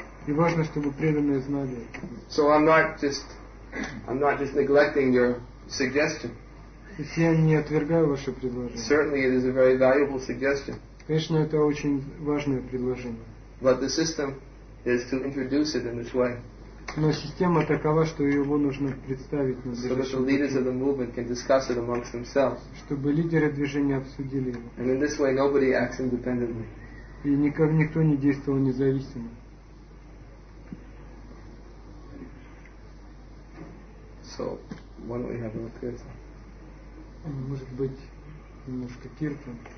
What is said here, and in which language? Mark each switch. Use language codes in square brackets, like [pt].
[ru] И важно, чтобы преданные знали. [en] So I'm not just neglecting your suggestion. [ru] Я не отвергаю ваше предложение. [en] Certainly, it is a very valuable suggestion. [ru] Конечно, это очень важное предложение. [en] But the system is to introduce it in this way. [ru] Но система такова, что его нужно представить на движении. [en] So that the leaders of the movement can discuss it amongst themselves. [ru] Чтобы лидеры движения обсудили его. [en] And in this way, nobody acts independently. [ru] И никак никто не действовал независимо. [en] So, why don't we have a little kirtan? [ru] Может быть. Немножко киртан.